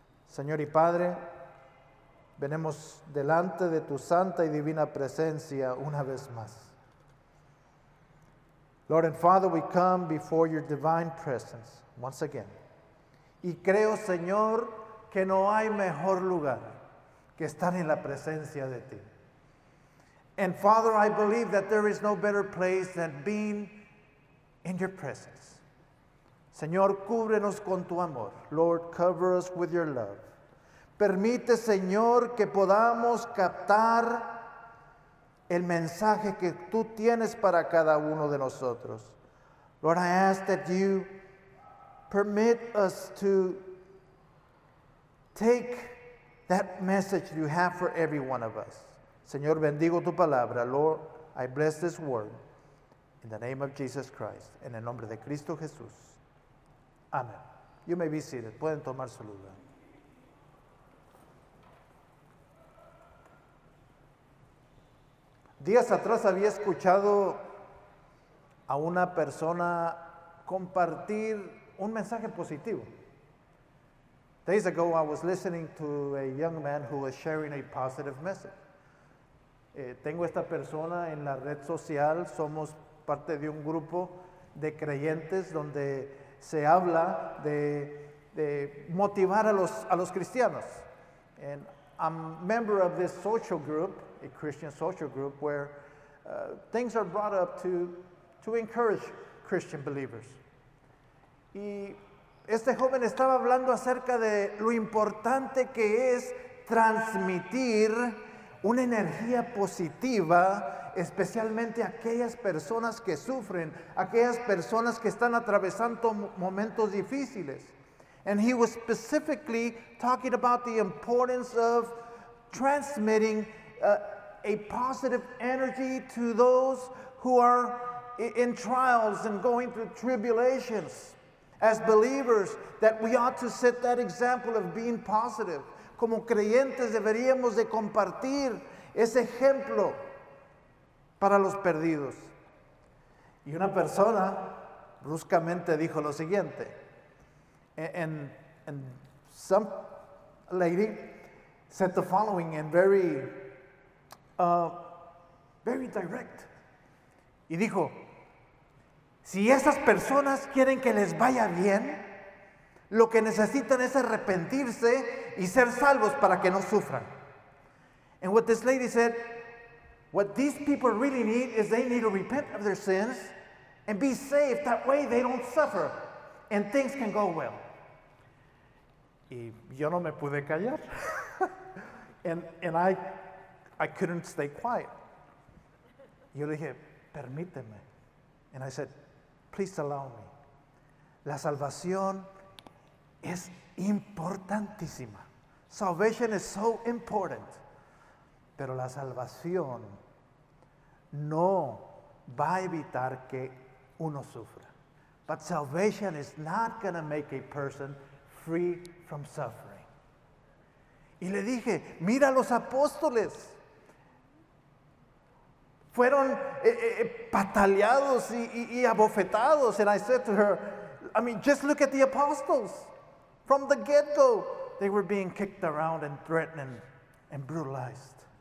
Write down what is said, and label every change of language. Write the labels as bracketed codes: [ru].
[es] Señor y Padre, venimos delante de tu santa y divina presencia una vez más. [en] Lord and Father, we come before your divine presence once again. [es] Y creo, Señor, que no hay mejor lugar que estar en la presencia de ti. [en] And Father, I believe that there is no better place than being in your presence. [es] Señor, cúbrenos con tu amor. [en] Lord, cover us with your love. [es] Permite, Señor, que podamos captar el mensaje que tú tienes para cada uno de nosotros. [en] Lord, I ask that you permit us to take that message you have for every one of us. [es] Señor, bendigo tu palabra. [en] Lord, I bless this word in the name of Jesus Christ. [es] En el nombre de Cristo Jesús. Amen. [en] You may be seated. [es] Pueden tomar su lugar. Días atrás había escuchado a una persona compartir un mensaje positivo. [en] Days ago, I was listening to a young man who was sharing a positive message. [es] Tengo esta persona en la red social. Somos parte de un grupo de creyentes donde se habla de motivar a los cristianos. [en] And I'm a member of this social group, a Christian social group, where things are brought up to encourage Christian believers. [es] Y este joven estaba hablando acerca de lo importante que es transmitir una energía positiva, especialmente aquellas personas que sufren, aquellas personas que están atravesando momentos difíciles. [en] And he was specifically talking about the importance of transmitting a positive energy to those who are in trials and going through tribulations. As believers, that we ought to set that example of being positive. [es] Como creyentes deberíamos de compartir ese ejemplo para los perdidos. Y una persona bruscamente dijo lo siguiente. [en] And some lady said the following in very direct. [es] Y dijo, si esas personas quieren que les vaya bien, lo que necesitan es arrepentirse y ser salvos para que no sufran. [en] And what this lady said, what these people really need is they need to repent of their sins and be saved. That way they don't suffer and things can go well. [es] Y yo no me pude callar. [en] And I couldn't stay quiet. [es] Yo le dije, permíteme. [en] And I said, please allow me. [es] La salvación es importantísima. [en] Salvation is so important. [es] Pero la salvación no va a evitar que uno sufra. [en] But salvation is not going to make a person free from suffering. [es] Y le dije, mira los apóstoles. Fueron pataleados y abofetados. [en] And I said to her, I mean, just look at the apostles. From the get-go, they were being kicked around and threatened and brutalized.